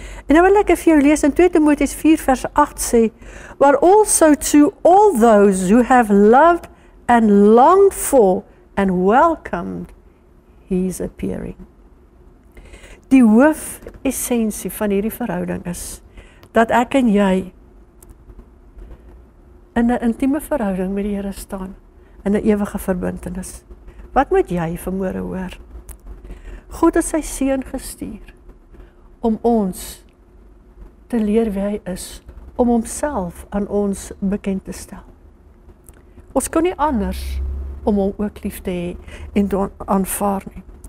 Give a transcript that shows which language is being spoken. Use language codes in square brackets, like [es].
[af] En nou wil ek vir jou lees in 2 Timoteus 4 vers 8 sê, [en] but also to all those who have loved and longed for and welcomed his appearing. [af] Die hoof essentie van hierdie verhouding is, dat ek en jy in een intieme verhouding met die Here staan, in een ewige verbintenis. Wat moet jy vanmorgen hoor? God het sy seun gestuur, om ons te leer wie hy is, om homself aan ons bekend te stel. Ons kon nie anders om hom ook lief te hê en te aanvaar nie.